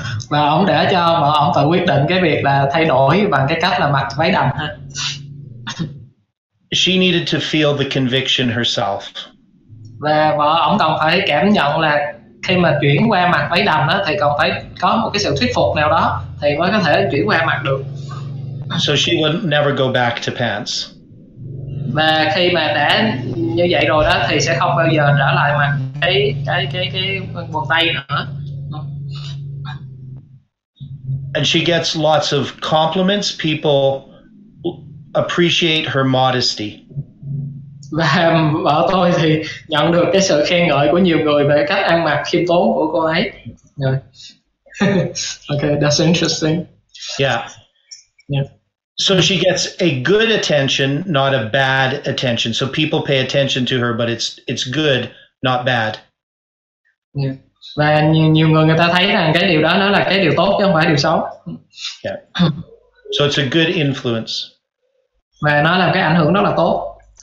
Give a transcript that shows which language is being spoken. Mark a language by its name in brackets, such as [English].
[Vietnamese] Và ông để cho vợ ông tự quyết định cái việc là thay đổi bằng cái cách là mặc váy đầm. [English] She needed to feel the conviction herself. [Vietnamese] Và vợ ông cần phải cảm nhận là khi mà chuyển qua mặc váy đầm đó thì còn phải có một cái sự thuyết phục nào đó thì mới có thể chuyển qua mặc được. [English] So she would never go back to pants. [Vietnamese] Và khi mà đã như vậy rồi đó thì sẽ không bao giờ trở lại mặc cái quần tây nữa. [English] And she gets lots of compliments. People appreciate her modesty. [Vietnamese] Và vợ tôi thì nhận được cái sự khen ngợi của nhiều người về cách ăn mặc khiêm tốn của cô ấy. [English] Okay, that's interesting. Yeah. So she gets a good attention, not a bad attention. So people pay attention to her, but it's good, not bad. Yeah. [Vietnamese] Và nhiều người người ta thấy rằng cái điều đó nó là cái điều tốt chứ không phải điều xấu. [English] Yeah. So it's a good influence. [Vietnamese] Và nó làm cái ảnh hưởng rất là tốt.